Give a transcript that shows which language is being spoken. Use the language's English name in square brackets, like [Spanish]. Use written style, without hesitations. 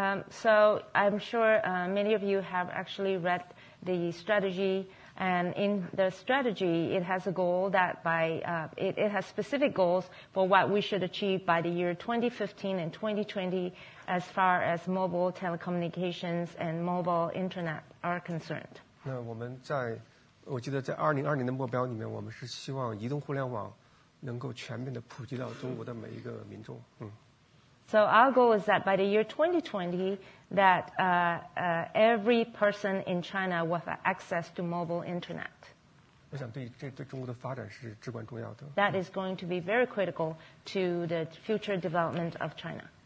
[English] So I'm sure many of you have actually read the strategy, and in the strategy, it has a goal that by it has specific goals for what we should achieve by the year 2015 and 2020 as far as mobile telecommunications and mobile internet are concerned. [Chinese] 那我们在，我记得在2020的目标里面，我们是希望移动互联网能够全面的普及到中国的每一个民众。 [English] So our goal is that by the year 2020, that every person in China will have access to mobile internet. [Chinese] 我想对中国的发展是至关重要的。That [English] is going to be very critical to the future development of China.